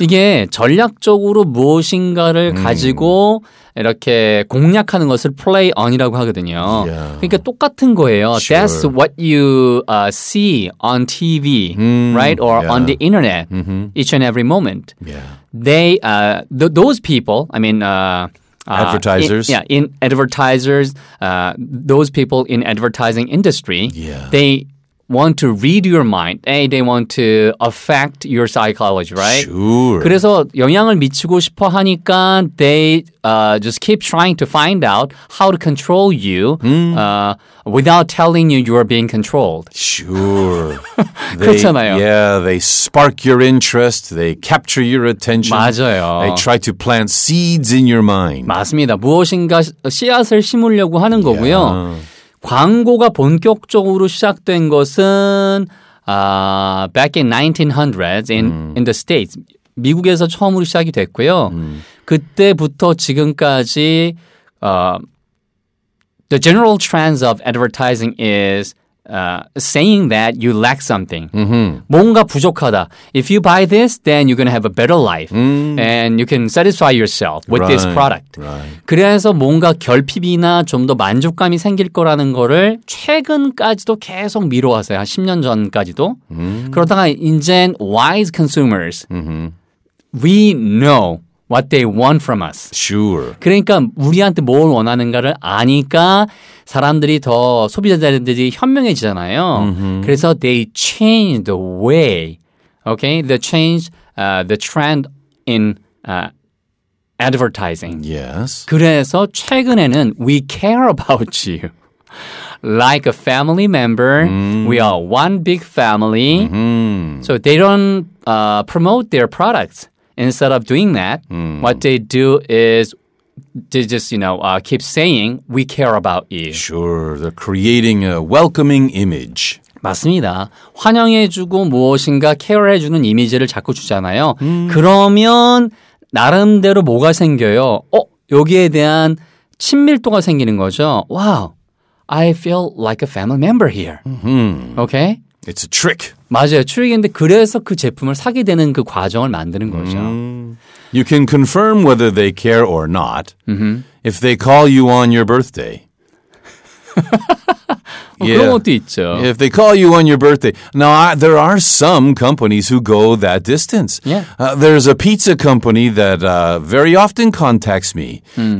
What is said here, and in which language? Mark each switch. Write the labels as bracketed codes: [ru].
[ko] 이게 전략적으로 무엇인가를 가지고 이렇게 공략하는 것을 play on이라고 하거든요. [en] Yeah. [ko] 그러니까 똑같은 거예요. [en] Sure. That's what you see on TV, right? Or on the internet, each and every moment. Yeah. They, those people, I mean... advertisers. In advertisers, those people in advertising industry, they want to read your mind. They want to affect your psychology, right? Sure. [ko] 그래서 영향을 미치고 싶어 하니까 [en] they just keep trying to find out how to control you without telling you you are being controlled. Sure. [ko] 그렇잖아요. [en] Yeah, they spark your interest. They capture your attention. [ko] 맞아요. [en] They try to plant seeds in your mind. [ko] 맞습니다. 무엇인가 씨앗을 심으려고 하는 거고요. [en] Yeah. [ko] 광고가 본격적으로 시작된 것은 [en] back in 1900s in the States. [ko] 미국에서 처음으로 시작이 됐고요. 그때부터 지금까지 [en] the general trends of advertising is saying that you lack something. Mm-hmm. [ko] 뭔가 부족하다. [en] If you buy this, then you're going to have a better life. And you can satisfy yourself with this product. Right. [ko] 그래서 뭔가 결핍이나 좀 더 만족감이 생길 거라는 거를 최근까지도 계속 미뤄왔어요. 한 10년 전까지도. 그러다가 이제 [en] wise consumers, we know what they want from us. Sure. [ko] 그러니까 우리한테 뭘 원하는가를 아니까 사람들이 더 소비자들이 현명해지잖아요. [en] Mm-hmm. [ko] 그래서 [en] they change the way, okay? They change the trend in advertising. Yes. [ko] 그래서 최근에는 [en] we care about you. Like a family member, we are one big family. So they don't promote their products. Instead of doing that, what they do is they just, you know, keep saying, we care about you. Sure. They're creating a welcoming image. [ko] 맞습니다. 환영해주고 무엇인가 케어해주는 이미지를 자꾸 주잖아요. 그러면 나름대로 뭐가 생겨요? 어, 여기에 대한 친밀도가 생기는 거죠. [en] Wow, I feel like a family member here. Okay? It's a trick. [ko] 맞아요. 트릭인데 그래서 그 제품을 사게 되는 그 과정을 만드는 거죠. [en] You can confirm whether they care or not if they call you on your birthday. [ko] Yeah. 그런 것도 있죠. [en] If they call you on your birthday. Now, there are some companies who go that distance. Yeah. There's a pizza company that very often contacts me. Mm.